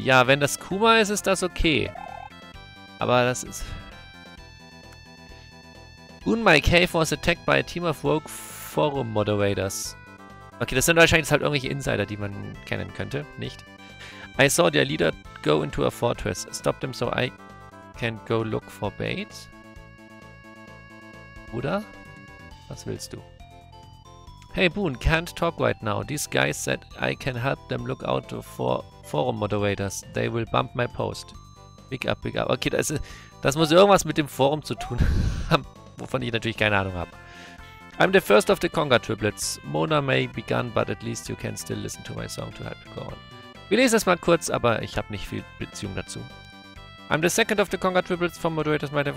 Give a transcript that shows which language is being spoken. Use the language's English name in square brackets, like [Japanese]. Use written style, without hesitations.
[German] Ja, wenn das Kuma ist, ist das okay. Aber das ist... [English] Boone, my cave was attacked by a team of rogue forum moderators. [German] Okay, das sind wahrscheinlich halt irgendwelche Insider, die man kennen könnte. Nicht? [English] I saw their leader go into a fortress. Stop them so I can go look for bait. [German] Bruder? Was willst du? [English] Hey Boone, can't talk right now. These guys said I can help them look out for forum moderators. They will bump my post. Pick up, pick up. [German] Okay, das muss irgendwas mit dem Forum zu tun haben. Wovon ich natürlich keine Ahnung habe. [English] I'm the first of the Conga Triplets. Mona may be gone, but at least you can still listen to my song to help you go on. [German] Wir lesen es mal kurz, aber ich habe nicht viel Beziehung dazu. [English] I'm the second of the Conga Triplets from Moderators.